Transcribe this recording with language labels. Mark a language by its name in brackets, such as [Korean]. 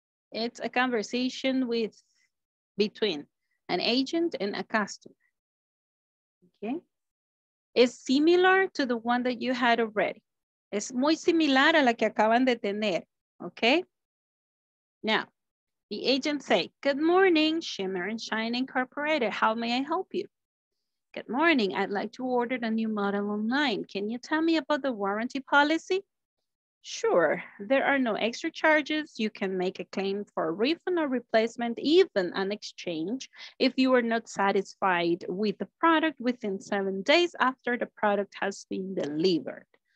[English] It's a conversation with, between an agent and a customer. Okay. It's similar to the one that you had already. [Spanish] Es muy similar a la que acaban de tener. [English] Okay. Now, the agent say, good morning, Shimmer and Shine Incorporated. How may I help you? Good morning. I'd like to order a new model online. Can you tell me about the warranty policy? Sure, there are no extra charges. You can make a claim for a refund or replacement, even an exchange, if you are not satisfied with the product within 7 days after the product has been delivered.